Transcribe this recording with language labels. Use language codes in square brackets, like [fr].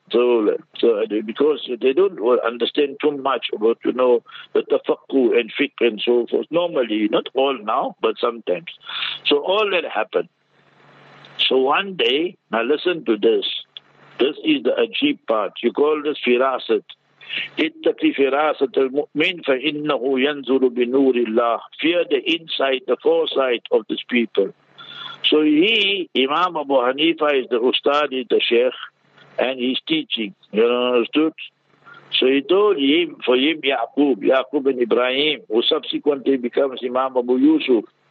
[en] So because they don't understand too much about, you know, the tafakku and fiqh and so forth. Normally, not all now, but sometimes. So all that happened. So one day, now listen to this. This is the ajib part. You call this firasat. [ar] اتقي فراسة المؤمن فإنه ينظر بنور الله. [en] Fear the insight, the foresight of this people. So he, Imam Abu Hanifa, is the ustad, is the sheikh, and he's teaching. You understood? So he told him, for him, Yaqub and Ibrahim, who subsequently becomes Imam Abu Yusuf.